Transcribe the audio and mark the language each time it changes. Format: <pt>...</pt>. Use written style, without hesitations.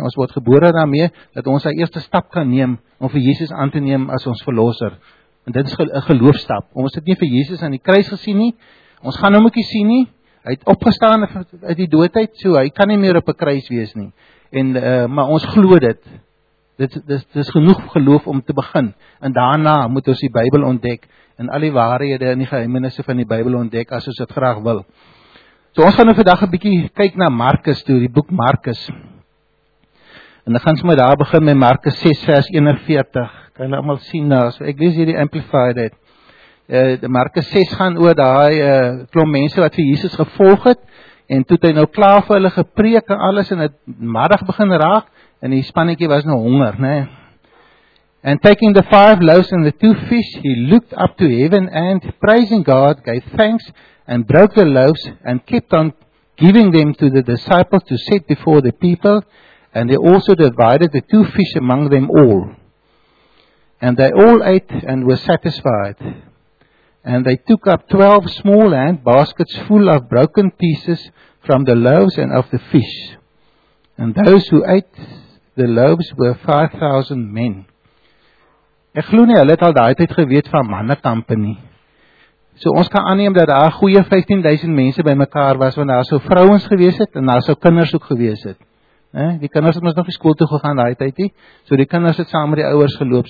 <af>Ons word gebore daarmee dat ons die eerste stap kan neem om vir Jesus aan te neem as ons verlosser. En dit is 'n geloofstap. Ons het nie vir Jesus aan die kruis gesien nie. Ons gaan hom ookie sien nie. Hy het opgestaan uit die doodheid, so hy kan nie meer op 'n kruis wees nie. En maar ons glo dit. Dit is genoeg geloof om te begin. En daarna moet ons die Bybel ontdek en al die waarhede en die geheimenisse van die Bybel ontdek as ons dit graag wil. So ons gaan nou vandag 'n bietjie kyk na Markus toe, die boek Markus. En dan gaan ons maar daar begin met Markus 6 vers 41. Kan jy almal sien daar? So ek lees hierdie Amplified uit. Markus 6 gaan oor daai klomp mense wat vir Jesus gevolg het en toe hy nou klaar vir hulle gepreek en alles en het middag begin raak en die spannetjie was nou honger, né?</af> <en>And taking the 5 loaves and the 2 fish, he looked up to heaven and praising God, gave thanks and broke the loaves and kept on giving them to the disciples to set before the people and they also divided the 2 fish among them all. And they all ate and were satisfied. And they took up 12 small hand baskets full of broken pieces from the loaves and of the fish. And those who ate the loaves were 5,000 men.</en> <af>Ek glo nie, hulle het al daai tyd geweet van mannekampe nie. So ons kan aanneem dat daar goeie 15,000 mense by mekaar was, want daar sou vrouens gewees het en daar sou kinders ook gewees het. Die kinders het ons nog die skool toe gegaan daai tyd nie, so die kinders het saam met die ouers geloop.</af>